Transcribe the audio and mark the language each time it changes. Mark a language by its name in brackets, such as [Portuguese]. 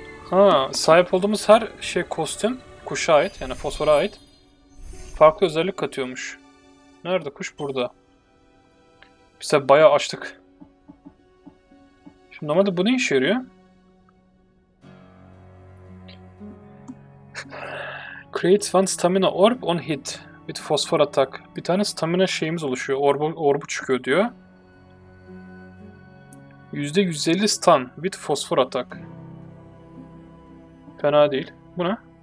[Turkish] Ha, sahip olduğumuz her şey kostüm kuşa ait, yani fosfora ait. Farklı özellik katıyormuş. Nerede kuş? Burada. Biz de bayağı açtık. Şimdi normalde bu ne işe yarıyor? [English] Creates one stamina orb on hit with fosfor attack. [Turkish] Bir tane stamina şeyimiz oluşuyor. Orbu çıkıyor diyor. [English] %150 stun with fosfor attack. [Turkish] Fena değil. Bu ne?